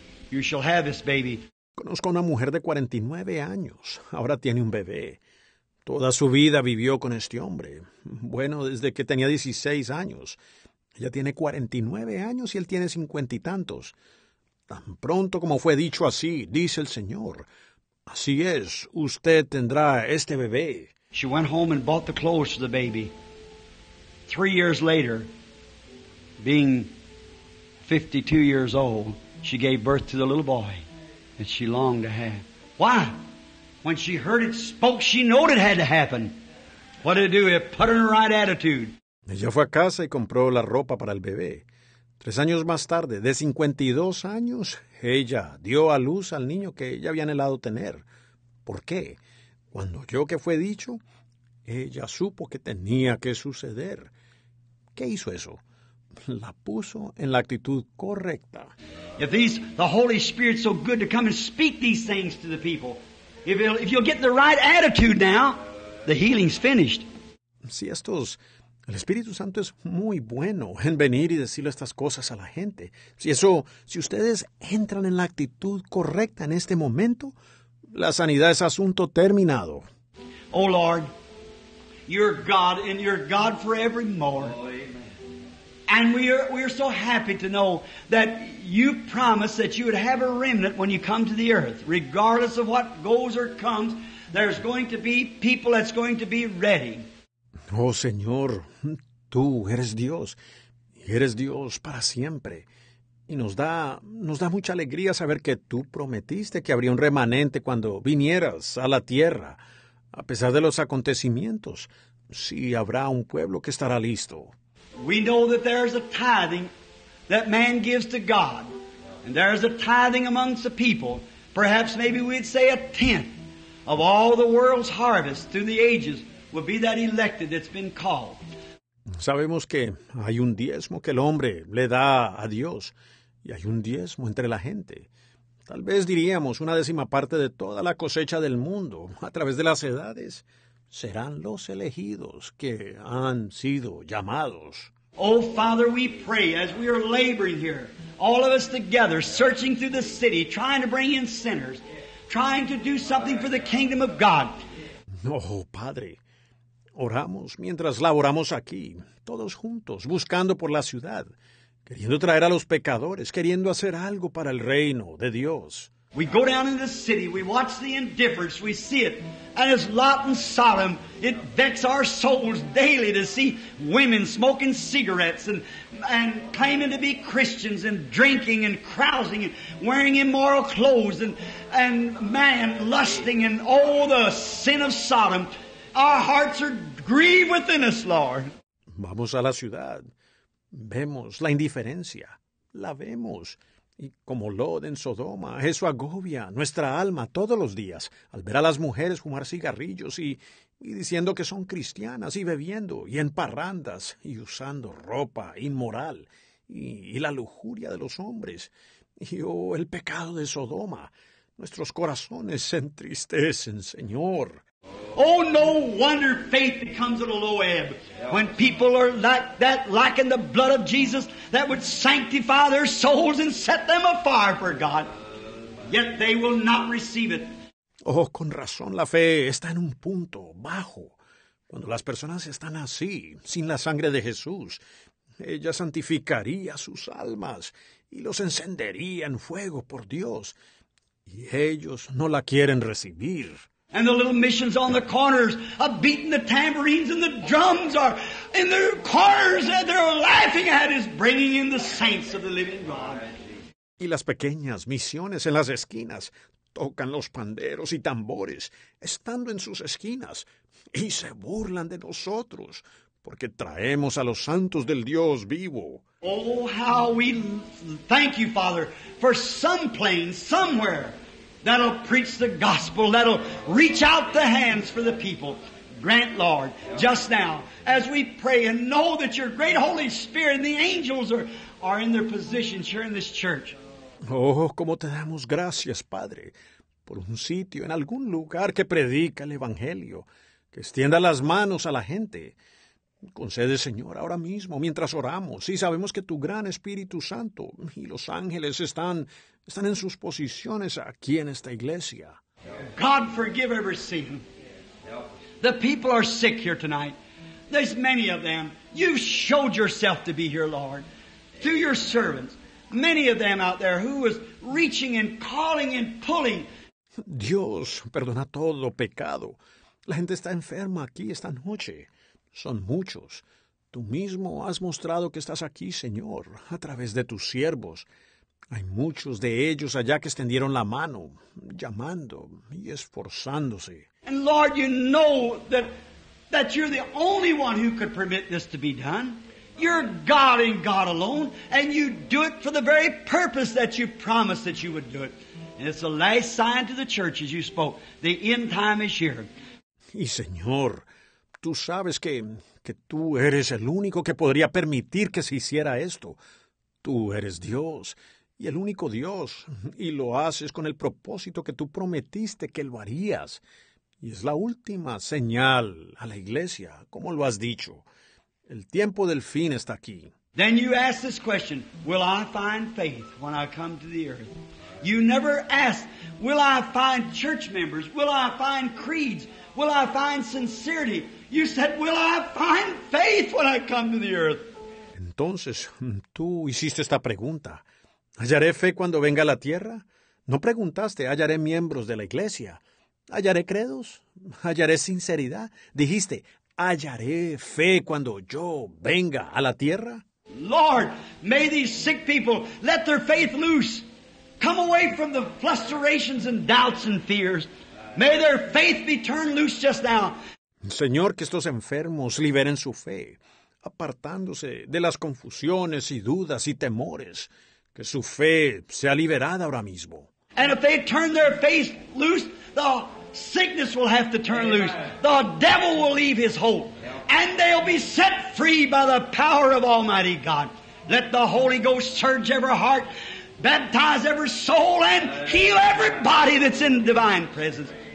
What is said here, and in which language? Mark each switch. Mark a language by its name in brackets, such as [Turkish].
[English] You shall have this baby. [Spanish] Conozco a una mujer de 49 años. Ahora tiene un bebé. Toda su vida vivió con este hombre. Bueno, desde que tenía 16 años. Ella tiene 49 años y él tiene 50 y tantos. Tan pronto como fue dicho así, dice el Señor, así es, usted tendrá este bebé. [English] She went home and bought the clothes for the baby. 3 years later, being 52 years old, she gave birth to the little boy that she longed to have. Why? When she heard it spoke, she knew it had to happen. What did it do? It put her in the right attitude. [Spanish] Ella fue a casa y compró la ropa para el bebé. 3 años más tarde, de 52 años, ella dio a luz al niño que ella había anhelado tener. ¿Por qué? Cuando oyó que fue dicho, ella supo que tenía que suceder. ¿Qué hizo eso? La puso en la actitud correcta. [English] If these, the Holy Spirit's so good to come and speak these things to the people, if you'll get the right attitude now, the healing's finished. [Spanish] Si estos... El Espíritu Santo es muy bueno en venir y decirle estas cosas a la gente. Si eso, si ustedes entran en la actitud correcta en este momento, la sanidad es asunto terminado. [English] Oh Lord, you're God and you're God forevermore. Oh, amen. And we are so happy to know that you promised that you would have a remnant when you come to the earth. Regardless of what goes or comes, there's going to be people that's going to be ready. [Spanish] Oh, Señor, Tú eres Dios, y eres Dios para siempre. Y nos da mucha alegría saber que Tú prometiste que habría un remanente cuando vinieras a la tierra, a pesar de los acontecimientos, sí habrá un pueblo que estará listo. [English] We know that there's a tithing that man gives to God, and there's a tithing amongst the people, perhaps maybe we'd say a tenth of all the world's harvest through the ages would be that elected that's been called. [Spanish] Sabemos que hay un diezmo que el hombre le da a Dios, y hay un diezmo entre la gente. Tal vez diríamos una décima parte de toda la cosecha del mundo a través de las edades serán los elegidos que han sido llamados. [English] Oh, Father, we pray as we are laboring here, all of us together, searching through the city, trying to bring in sinners, trying to do something for the kingdom of God. [Spanish] Oh, Padre, oramos mientras laboramos aquí, todos juntos, buscando por la ciudad, queriendo traer a los pecadores, queriendo hacer algo para el reino de Dios. [English] We go down in the city, we watch the indifference, we see it, and as Lot and Sodom, it vex our souls daily to see women smoking cigarettes and claiming to be Christians and drinking and carousing and wearing immoral clothes and man lusting and all the sin of Sodom. Our hearts are grieved within us, Lord. [Spanish] Vamos a la ciudad. Vemos la indiferencia. La vemos. Y como Lot en Sodoma, eso agobia nuestra alma todos los días, al ver a las mujeres fumar cigarrillos y diciendo que son cristianas, y bebiendo, y en parrandas, y usando ropa inmoral, y la lujuria de los hombres, y oh, el pecado de Sodoma. Nuestros corazones se entristecen, Señor. [English] Oh, no wonder faith becomes at a low ebb when people are like that, lacking the blood of Jesus that would sanctify their souls and set them afire for God. Yet they will not receive it. [Spanish] Oh, con razón la fe está en un punto bajo. Cuando las personas están así, sin la sangre de Jesús, ella santificaría sus almas y los encendería en fuego por Dios. Y ellos no la quieren recibir. [English] And the little missions on the corners are beating the tambourines and the drums are in their corners and they're laughing at us, bringing in the saints of the living God. [Spanish] Y las pequeñas misiones en las esquinas tocan los panderos y tambores, estando en sus esquinas, y se burlan de nosotros, porque traemos a los santos del Dios vivo. [English] Oh, how we thank you, Father, for some plane, somewhere, that'll preach the gospel, that'll reach out the hands for the people. Grant, Lord, just now, as we pray and know that your great Holy Spirit and the angels are in their positions here in this church. [Spanish] Oh, como te damos gracias, Padre, por un sitio en algún lugar que predica el Evangelio, que extienda las manos a la gente. Concede, Señor, ahora mismo, mientras oramos, y sabemos que tu gran Espíritu Santo y los ángeles están en sus posiciones aquí en esta iglesia. [English] God forgive every sin. The people are sick here tonight. There's many of them. You've showed yourself to be here, Lord, through your servants. Many of them out there who was reaching and calling and pulling. [Spanish] Dios, perdona todo pecado. La gente está enferma aquí esta noche. Son muchos. Tú mismo has mostrado que estás aquí, Señor, a través de tus siervos. Hay muchos de ellos allá que extendieron la mano, llamando y esforzándose. [English] And Lord, you know that you're the only one who could permit this to be done. You're God and God alone, and you do it for the very purpose that you promised that you would do it. And it's the last sign to the church as you spoke. The end time is here. [Spanish] Y Señor, tú sabes que tú eres el único que podría permitir que se hiciera esto. Tú eres Dios, y el único Dios, y lo haces con el propósito que tú prometiste que lo harías. Y es la última señal a la iglesia, como lo has dicho. El tiempo del fin está aquí. [English] Then you ask this question, will I find faith when I come to the earth? You never ask, will I find church members? Will I find creeds? Will I find sincerity? You said, will I find faith when I come to the earth? [Spanish] Entonces, tú hiciste esta pregunta. ¿Hallaré fe cuando venga a la tierra? No preguntaste, ¿hallaré miembros de la iglesia? ¿Hallaré credos? ¿Hallaré sinceridad? Dijiste, ¿hallaré fe cuando yo venga a la tierra? [English] Lord, may these sick people let their faith loose. Come away from the frustrations and doubts and fears. May their faith be turned loose just now. [Spanish] Señor, que estos enfermos liberen su fe, apartándose de las confusiones y dudas y temores, que su fe sea liberada ahora mismo. [English] And if they turn their faith loose, the sickness will have to turn loose. The devil will leave his hold. And they'll be set free by the power of Almighty God. Let the Holy Ghost surge every heart, baptize every soul, and heal everybody that's in the divine presence.